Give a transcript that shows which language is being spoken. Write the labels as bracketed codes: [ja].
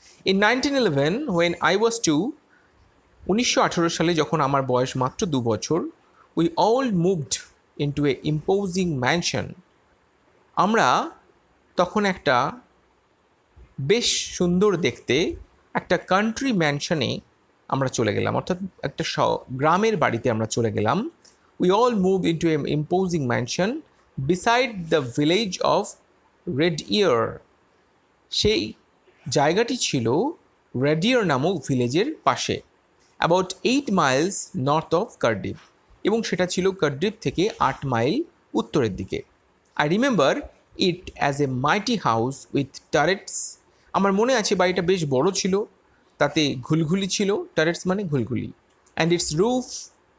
[en] in 1911 when I was two, [bn] 1918 সালে যখন আমার বয়স মাত্র 2 বছর, [en] We all moved into a imposing mansion. [bn] আমরা তখন একটা বেশ সুন্দর দেখতে একটা কান্ট্রি ম্যানশনে আমরা চলে গেলাম, অর্থাৎ একটা গ্রামের বাড়িতে আমরা চলে গেলাম, [en] We all moved into an imposing mansion beside the village of Red Ear. [bn] সেই জায়গাটি ছিল রেডিয়ার নামক ভিলেজের পাশে [en] about 8 miles north of Cardiff [bn] এবং সেটা ছিল কার্ডিফ থেকে 8 miles উত্তরের দিকে [en] I remember it as a mighty house with turrets [bn] আমার মনে আছে বাড়িটা বেশ বড় ছিল তাতে ঘুলঘুলি ছিল টারেটস মানে ঘুলঘুলি [en] and its roof